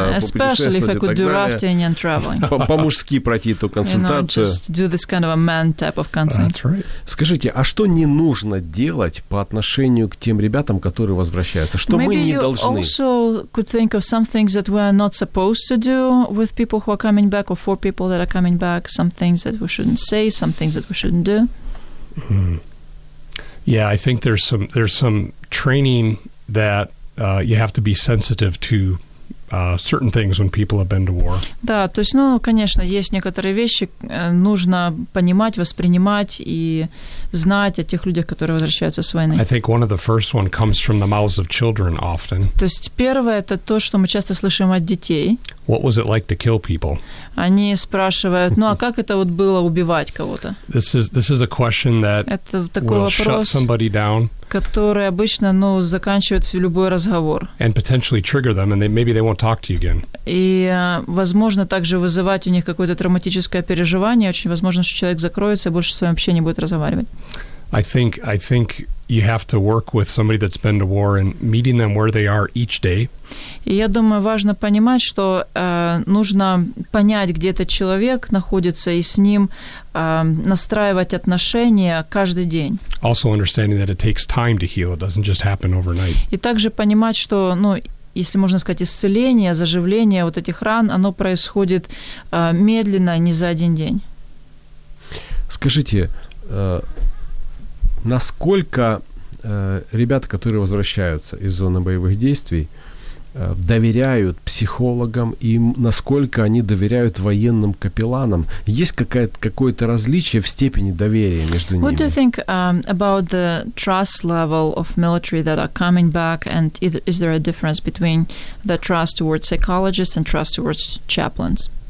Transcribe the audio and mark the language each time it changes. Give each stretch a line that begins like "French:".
English: especially if I could do rafting and traveling.
Russian: По-мужски пройти эту консультацию.
English: You know, just do this kind of a man type of consult. That's right.
Russian: Скажите, а что не нужно делать по отношению к тем ребятам, которые возвращаются? Что
English: Maybe
Russian: мы не должны?
English: Maybe you also could think of some things that we are not supposed to do with people who are coming back or for people that are coming back. Some things that we shouldn't say, some things that we shouldn't do. Yeah, I think there's some training that you have to be sensitive to certain things when people have been to war.
Russian: Да, то есть, ну, конечно, есть некоторые вещи, нужно понимать, воспринимать и знать о тех людях, которые возвращаются с войны.
English: I think one of the first one comes from the mouths of children often.
Russian: То есть первое это то, что мы часто слышим от детей.
English: What was it like to kill people?
Russian: Они спрашивают, ну а как это вот было убивать кого-то?
English: This is a question that
Russian: это такой
English: will
Russian: вопрос,
English: shut somebody down.
Russian: Который обычно, ну, заканчивает любой разговор.
English: And potentially trigger them, and maybe they won't talk to you again.
Russian: И, возможно, также вызывать у них какое-то травматическое переживание. Очень возможно, что человек закроется и больше с вами вообще не будет разговаривать.
English: I think you have to work with somebody that's been to war and meeting them where they are each day.
Russian: И я думаю, важно понимать, что нужно понять, где этот человек находится, и с ним настраивать отношения каждый день.
English: Also understanding that it takes time to heal. It doesn't just happen overnight.
Russian: И также понимать, что, ну, если можно сказать, исцеление, заживление вот этих ран, оно происходит медленно, не за один день. Скажите, насколько ребята, которые возвращаются из зоны боевых действий, доверяют психологам и насколько они доверяют военным капелланам? Есть какое-то различие в степени доверия между ними?
English: What do you think about the trust level of military that are coming back, and is there a difference between the trust towards psychologists and trust towards chaplains?